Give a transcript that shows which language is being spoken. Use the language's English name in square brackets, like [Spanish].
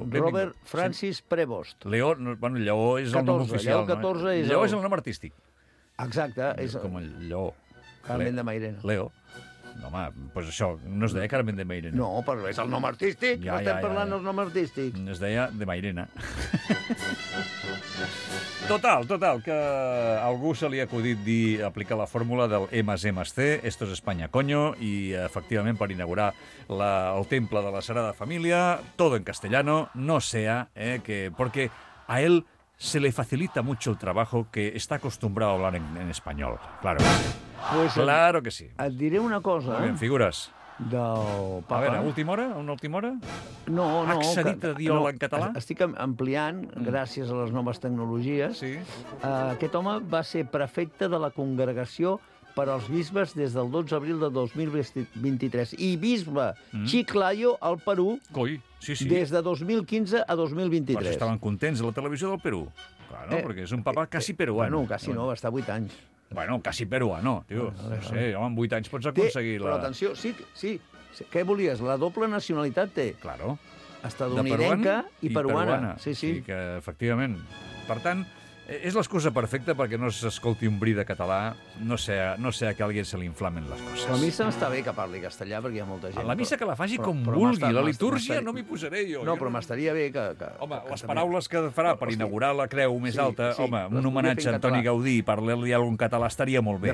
[Catalan] benvingut. Robert Francis Prevost. Lleó, bueno, Lleó és el nom oficial. Lleó 14 és el... Lleó és el nom artístic. Exacte. És com el Lleó. Carmen de Mairena. Lleó. No, home, doncs això, no es deia Carmen de Mairena. No, però és el nom artístic. Ja, no estem parlant dels noms artístics. Es deia de Mairena. Total, que algú se li ha acudit dir aplicar la fórmula del MSMST, [Spanish] esto es España, coño, [Catalan] i efectivament per inaugurar el temple de la Sagrada Família, [Spanish] todo en castellano, no sea, que porque a él se le facilita mucho el trabajo que está acostumbrado a hablar en español. Claro. Pues claro que sí. [Catalan] Et diré una cosa. Bien, figures. Del papa. A veure, última hora? Una última hora? No. Ha accedit a dir-ho en català? Estic ampliant, gràcies a les noves tecnologies. Sí. Aquest home va ser prefecte de la Congregació per als bisbes des del 12 d'abril de 2023. I bisbe Chiclayo al Perú. Coi, sí, sí. Des de 2015 a 2023. Però estaven contents a la televisió del Perú. Clar, no? Perquè és un papa quasi peruà. Bueno, quasi no, va estar 8 anys. Bueno, quasi peruà, no, tio. Sí, home, amb 8 anys pots aconseguir la... Però atenció, sí, sí. Què volies? La doble nacionalitat té. Claro. Estadounidenca i peruana. Sí, sí. Sí, que efectivament. Per tant... És l'excusa perfecta perquè no s'escolti un bri de català, no sé a que a algú se li inflamen les coses. La missa m'està bé que parli castellà, perquè hi ha molta gent. A la missa que la faci però, com però vulgui, la litúrgia no m'hi posaré jo. No, però m'estaria bé que... Home, que les paraules que farà per inaugurar la creu més alta, sí, home, un homenatge a Antoni Gaudí i parlar-li algun català estaria molt bé.